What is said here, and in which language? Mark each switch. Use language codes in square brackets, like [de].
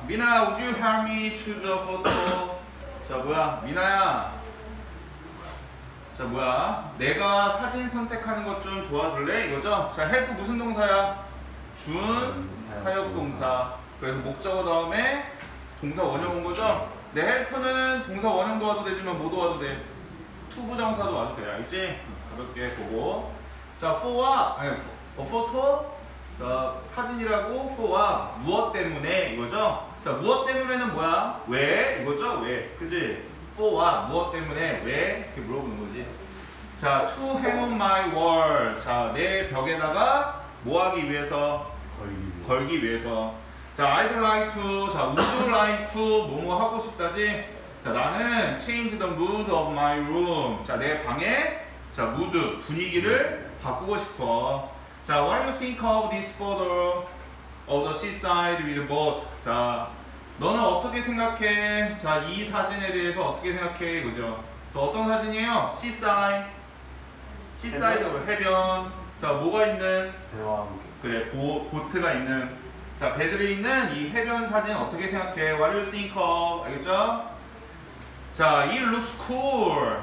[en] 미나, would you help me choose a photo? [ko] 자, 뭐야? 미나야. 자, 뭐야? 내가 사진 선택하는 것 좀 도와줄래? 이거죠? 자, help 무슨 동사야? 준 사역동사. 그래서 목적어 다음에 동사 원형 온 거죠? 내 헬프는 동사 원형 도와도 되지만 뭐 도와도 돼? 투부정사도 와도 돼, 알겠지? 가볍게 보고. 자, [en] for what? [ko] 아니, [en] a photo? [ko] 자, 사진이라고 [en] for what? [ko] 무엇 때문에? 이거죠? 자, 무엇 때문에는 뭐야? 왜? 이거죠? 왜? 그치? [en] for what? [ko] 무엇 때문에? 왜? 이렇게 물어보는 거지. [en] 자, to hang on my wall. [ko] 자, 내 벽에다가 뭐 하기 위해서? 걸기 위해서. 자, [en] I'd like to, [ko] 자, [en] would you like to, [ko] 뭐뭐 하고 싶다지? 자, 나는 [en] change the mood of my room. [ko] 자, 내 방에, 자, mood, 분위기를 바꾸고 싶어. [en] 자, what do you think of this photo of the seaside with a boat? [ko] 자, 너는 어떻게 생각해? 자, 이 사진에 대해서 어떻게 생각해? 그죠? 어떤 사진이에요? seaside, 해변? 해변. 자, 뭐가 있는? 대화 함께. 그래, 보트가 있는. 자, 배들이 있는 이 해변 사진 어떻게 생각해? [en] What do you think of? [ko] 알겠죠? 자, [en] it looks cool.